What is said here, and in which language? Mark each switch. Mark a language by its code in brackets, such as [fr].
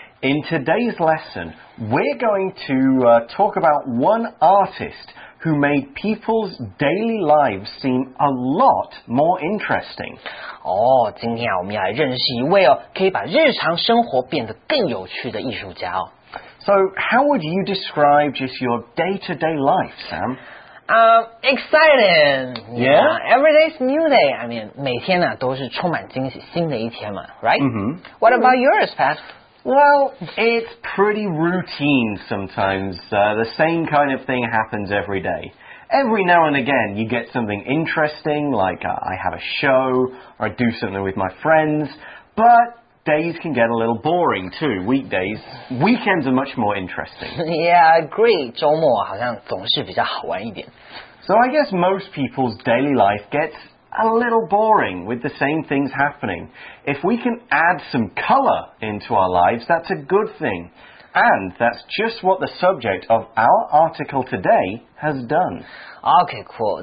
[en] In today's lesson, we're going to talk about one artist who made people's daily lives seem a lot more interesting. [zh] 今天我们要来认识一位可以把日常生活变得更有趣的艺术家。 [en] So, how would you describe just your day-to-day life, Sam? Exciting! Yeah? Every day's new day. I mean, [zh] 每天呢都是充满惊喜，新的一天嘛 [en] right? Mm-hmm. What about yours, Pat? Well, it's pretty routine sometimes. The same kind of thing happens every day. Every now and again, you get something interesting, like I have a show, or I do something with my friends, but... Days can get a little boring too, weekdays. Weekends are much more interesting. Yeah, I agree. [zh] 周末好像总是比较好玩一点。 [en] So I guess most people's daily life gets a little boring with the same things happening. If we can add some color into our lives, that's a good thing. And that's just what the subject of our article today has done. Okay, cool.